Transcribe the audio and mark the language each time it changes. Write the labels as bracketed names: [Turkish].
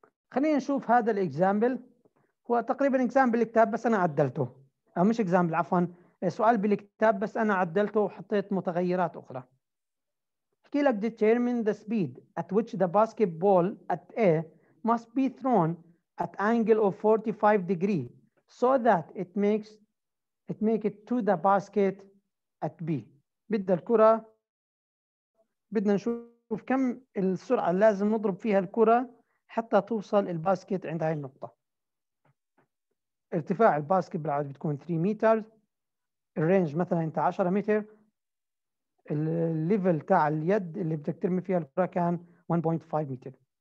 [Arabic] خلينا نشوف هذا الاكزامبل، هو تقريبا اكزامبل الكتاب بس انا عدلته، او مش اكزامبل عفوا، سؤال بالكتاب بس انا عدلته وحطيت متغيرات اخرى. احكي لك [English] determine the speed at which the basketball at A must be thrown at angle of 45 degree so that it makes it to the basket at B. [Arabic] بدنا الكرة، بدنا نشوف كم السرعة لازم نضرب فيها الكرة حتى توصل الباسكت عند هاي النقطة. ارتفاع الباسكت بالعادة بتكون 3 متر، الرينج مثلا انت 10 متر، الليفل تاع اليد اللي بدك ترمي فيها الكرة كان 1.5 متر.